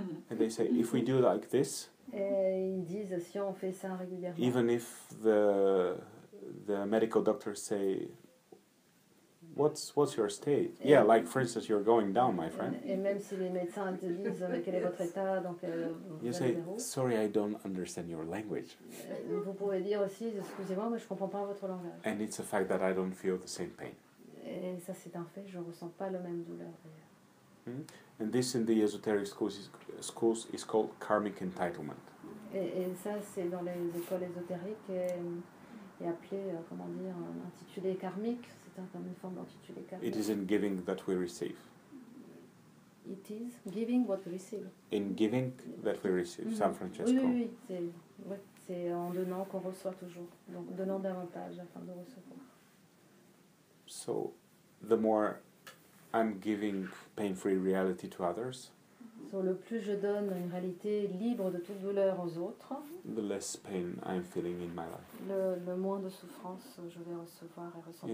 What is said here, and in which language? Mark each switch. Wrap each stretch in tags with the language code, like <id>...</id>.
<en>And they say if we do like this.</en> <fr>Et ils disent si on fait ça régulièrement.</fr> <en>Even if the medical doctors say. What's your state? Yeah, like for instance, you're going down, my friend.</en> <fr>Et même si les médecins te disent quel est votre état, donc.</fr> <en>You say, sorry, I don't understand your language.</en> <fr>Vous pouvez dire aussi, excusez-moi, mais je comprends pas votre langage.</fr> <en>And it's a fact that I don't feel the same pain.</en> <fr>Et ça, c'est un fait. Je ressens pas la même douleur.</fr> <en>And this, in the esoteric schools, is called karmic entitlement.</en> <fr>Et ça, c'est dans les écoles ésotériques et appelé, comment dire, intitulé karmique. Comme une forme d'intitulé karmique.</fr> <en>It is in giving that we receive. It is giving what we receive. In giving that we receive. San Francesco.</en> <fr>Oui, oui, c'est, ouais, c'est en donnant qu'on reçoit toujours. Donc, donnant davantage afin de recevoir.</fr> <en>So, the more I'm giving pain-free reality to others.</en> <fr>So, le plus je donne une réalité libre de toute douleur aux autres.</fr> <en>The less pain I'm feeling in my life.</en> <fr>Le moins de souffrance je vais recevoir et ressentir.</fr>